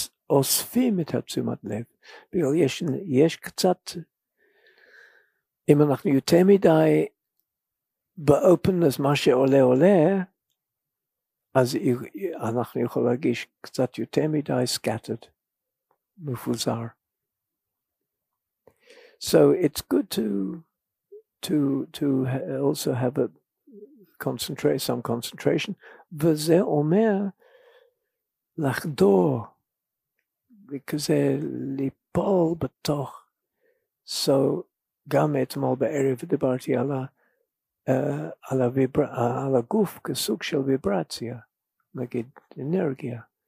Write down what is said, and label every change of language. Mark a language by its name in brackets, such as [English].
[Hebrew] ואוספים את תשומת לב. בגלל יש קצת, אם אנחנו יותר מדי באופנס, מה שעולה עולה, אז אנחנו יכולים להרגיש קצת יותר מדי scattered, מפוזר. [English] So it's good to also have a concentrate, some concentration. [Hebrew] וזה אומר לחדור, וכזה ליפול בתוך. So גם אתמול בערב דיברתי על על הגוף כסוג של ויברציה, נגיד אנרגיה.